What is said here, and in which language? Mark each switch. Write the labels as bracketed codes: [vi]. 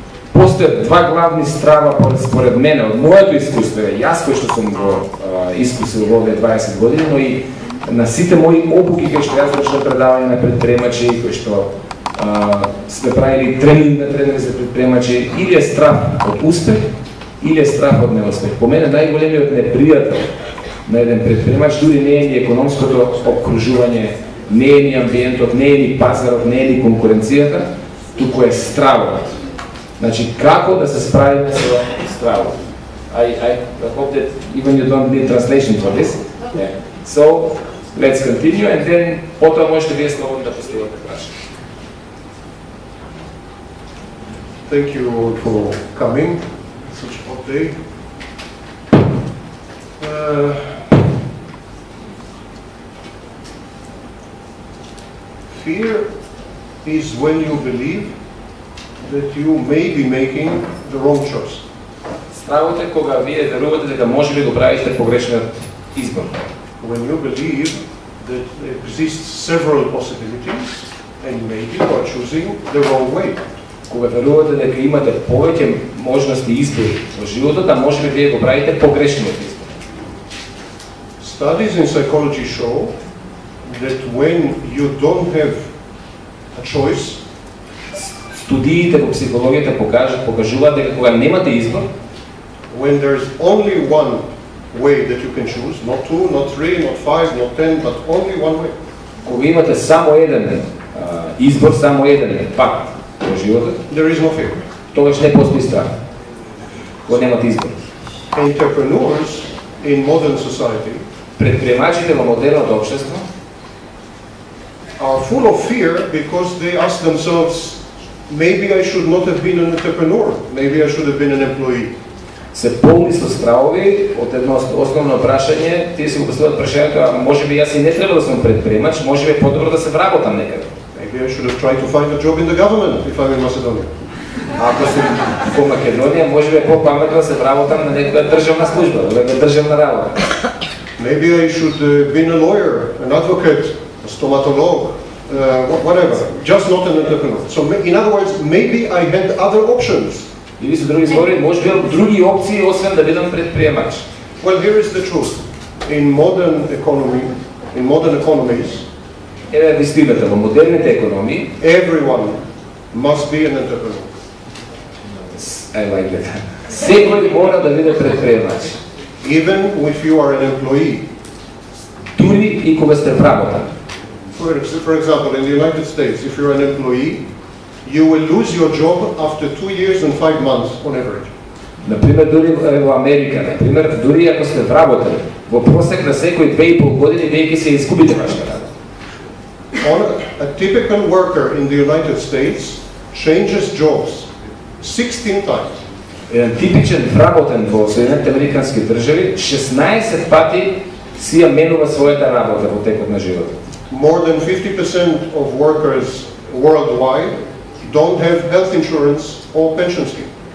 [mk] Постојат два главни страва според мене, од моето искуство, јас кој што сум го искусил во овие 20 години, но и на сите мои обуки кај што јас почнав предавање на предприемачи и кој што сме правили тренинг на тренери за предприемачи, или е страх од успех, или е страх од неуспех. По мене најголемиот непријател на еден предприемач дури не е ни економското окружување, не е ни амбиентот, не е ни пазарот, не е ни конкуренцијата, туку е стравот. Значи, како да се справите со стравот? [en] I hope that even you don't need translation for this. Yeah. So, let's continue and then [mk] потоа можете вие слободно да поставите прашање. [en] Thank you for coming. Such a hot day. Fear is when you believe that you may be making the wrong choice. [mk] Стравот е кога вие верувате дека можеби го правите погрешниот избор. [en] When you believe that there exists several possibilities and maybe you are choosing the wrong way. [mk] Кога верувате дека имате повеќе можности и избори во животот, а може би вие го правите погрешниот избор. [en] Studies in psychology show that when you don't have a choice, [mk] студиите во психологијата покажуваат дека кога немате избор, [en] when there's only one way that you can choose, not two, not three, not five, not ten, but only one way. [mk] Кога имате само еден избор, само еден пат, во животот. [en] There is no fear. [mk] Тогаш не постои страх. Кога немате избор. [en] Entrepreneurs in modern society, [mk] предприемачите во модерното општество, [en] are full of fear because they ask themselves, maybe I should not have been an entrepreneur, maybe I should have been an employee. [mk] Се полни со стравови од едно основно прашање, тие си го поставуваат прашањето, можеби јас и не треба да сум предприемач, можеби подобро да се вработам некаде. [en] Maybe I should have tried to find a job in the government if I'm in Macedonia. [mk] Ако сум во Македонија, може би по-паметно да се вработам на некоја државна служба, или на државна работа. [en] Maybe I should be a lawyer, an advocate, a stomatolog, whatever. Just not an entrepreneur. So in other words, maybe I had other options. [mk] Или со други збори, може би други опции освен да бидам предприемач. [en] Well, here is the truth. In modern economy, in modern economies, [mk] еве вистината во модерните економии. [en] Everyone must be an entrepreneur. I like that. [mk] Секој мора да биде предприемач. [en] Even if you are an employee. [mk] Дури и кога сте вработен. [en] For example, in the United States, if you're an employee, you will lose your job after 2 years and 5 months on average. [mk] На пример, дури во Америка, на пример, дури ако сте вработен, во просек на секој 2.5 години веќе се изгубите вашата работа. [en] A typical worker in the United States changes jobs 16 times. [mk] Еден типичен вработен во Соединетите Американски држави 16 пати си ја менува својата работа во текот на животот. [en] More than 50% of workers worldwide don't have health insurance or pension scheme.